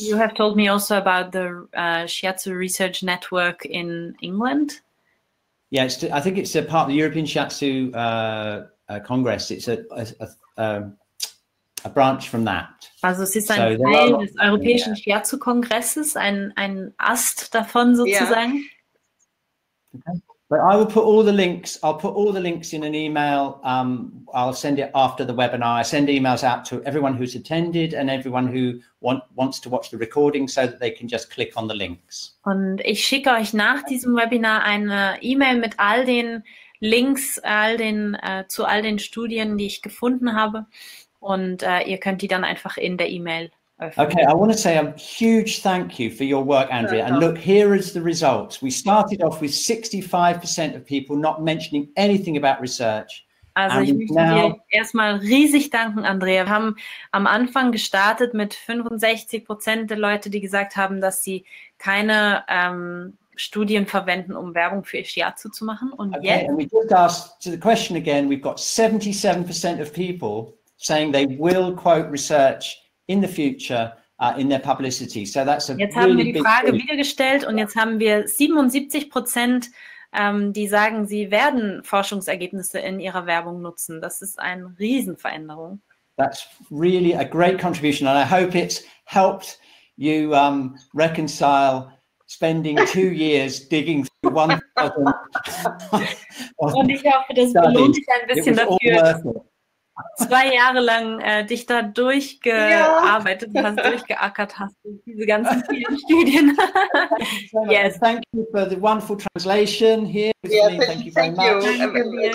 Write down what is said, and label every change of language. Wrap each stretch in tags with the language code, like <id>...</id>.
<en>You have told me also about the Shiatsu Research Network in England. Yeah, I think it's a part of the European Shiatsu Congress. It's a branch from that.</en> <de>Also es ist ein Teil des Europäischen Shiatsu Kongresses, ein Ast davon sozusagen.</de> <en>But I will put all the links. I'll put all the links in an email. I'll send it after the webinar. I send emails out to everyone who's attended and everyone who wants to watch the recording, so that they can just click on the links.</en> <de>Und ich schicke euch nach diesem Webinar eine E-Mail mit all den Links, zu all den Studien, die ich gefunden habe, und ihr könnt die dann einfach in der E-Mail</de> <en>Okay, I want to say a huge thank you for your work, Andrea. And look, here is the results. We started off with 65% of people not mentioning anything about research.</en> <de>Also ich möchte dir erstmal riesig danken, Andrea. Wir haben am Anfang gestartet mit 65% der Leute, die gesagt haben, dass sie keine Studien verwenden, um Werbung für Shiatsu zu machen. Und</de> <en>okay,</en> <de>jetzt,</de> <en>and we just asked to the question again, we've got 77% of people saying they will quote research in the future in their publicity. So that's a</en> <de>jetzt really haben wir die Frage wieder gestellt und jetzt haben wir 77%, die sagen, sie werden Forschungsergebnisse in ihrer Werbung nutzen. Das ist eine Riesenveränderung.</de> <en>That's really a great contribution and I hope it's helped you reconcile spending 2 years digging through 1,000</en> <de>Und ich hoffe, das belohnt dich ein bisschen dafür, 2 Jahre lang dich da durchgearbeitet hast, durchgeackert hast, diese ganzen vielen Studien.</de> <en>Yes. Thank you for the wonderful translation here. Thank you very much.</en>